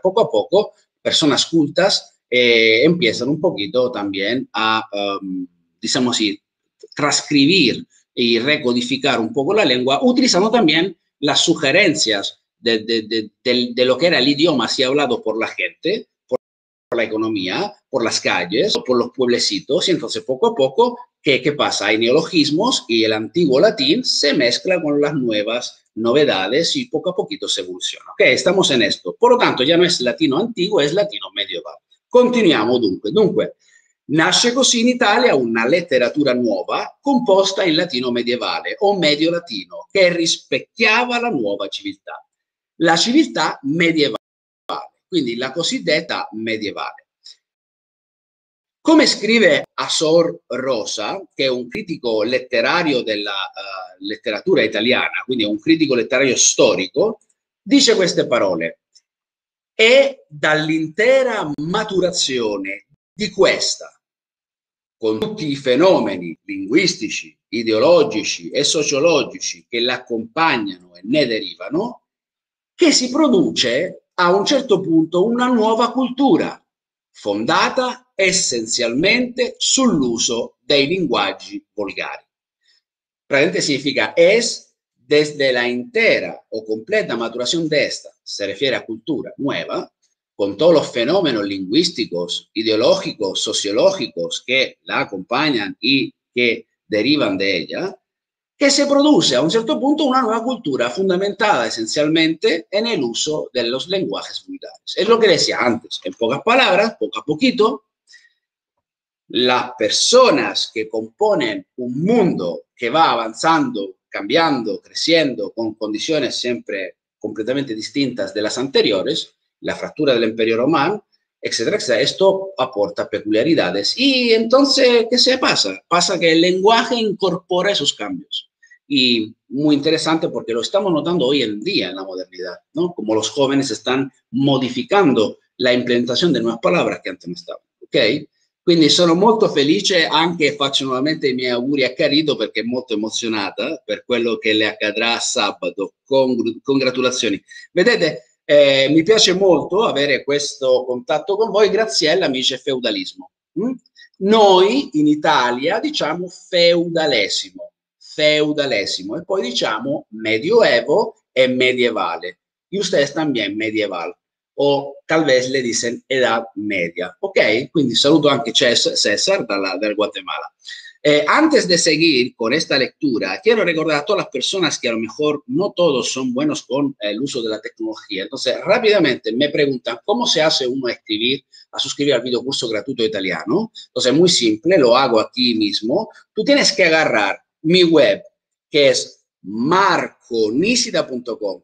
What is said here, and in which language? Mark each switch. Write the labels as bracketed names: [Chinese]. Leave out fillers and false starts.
[Spanish] Poco a poco, personas cultas empiezan un poquito también a, digamos así, transcribir y recodificar un poco la lengua, utilizando también las sugerencias de lo que era el idioma así hablado por la gente, por la economía, por las calles, por los pueblecitos, y entonces poco a poco, ¿qué pasa? Hay neologismos y el antiguo latín se mezcla con las nuevas novedades y poco a poquito se evoluciona. Ok, estamos en esto. Por lo tanto, ya no es latino antiguo, es latino medieval. [Italian] Continuiamo dunque. Dunque, nasce così in Italia una letteratura nuova composta in latino medievale o medio latino che rispecchiava la nuova civiltà. La civiltà medievale, quindi la cosiddetta medievale. Come scrive Azor Rosa, che è un critico letterario della letteratura italiana, quindi è un critico letterario storico, dice queste parole: è dall'intera maturazione di questa, con tutti i fenomeni linguistici, ideologici e sociologici che l'accompagnano e ne derivano, che si produce a un certo punto una nuova cultura fondata essenzialmente sull'uso dei linguaggi volgari. Praticamente significa [Spanish] es desde la intera o completa maturación de esta, se refiere a cultura nueva, con todos los fenómenos lingüísticos, ideológicos, sociológicos que la acompañan y que derivan de ella, que se produce a un cierto punto una nueva cultura fundamentada esencialmente en el uso de los lenguajes vulgares. Es lo que decía antes, en pocas palabras, poco a poquito, las personas que componen un mundo que va avanzando, cambiando, creciendo, con condiciones siempre completamente distintas de las anteriores, la fractura del Imperio Romano, etcétera, etcétera, esto aporta peculiaridades. Y entonces, ¿qué se pasa? Pasa que el lenguaje incorpora esos cambios. Y muy interesante porque lo estamos notando hoy en día en la modernidad, ¿no? Como los jóvenes están modificando la implementación de nuevas palabras que antes no estaban, ¿ok? [Italian] Quindi sono molto felice, anche faccio nuovamente i miei auguri a Carito perché è molto emozionata per quello che le accadrà sabato. Congratulazioni. Vedete, mi piace molto avere questo contatto con voi. Graziella mi dice feudalismo. Noi in Italia diciamo feudalesimo, feudalesimo, e poi diciamo medioevo e medievale. [Spanish] E ustedes también medieval. O talvez le dicen edad media. [Italian] Ok, quindi saluto anche César dal Guatemala. [Spanish] Antes de seguir con esta lectura, quiero recordar a todas las personas que a lo mejor no todos son buenos con el uso de la tecnología. Entonces, rápidamente me preguntan cómo se hace uno a suscribir al video curso gratuito italiano. Entonces, muy simple, lo hago aquí mismo. Tú tienes que agarrar mi web, que es marconisida.com.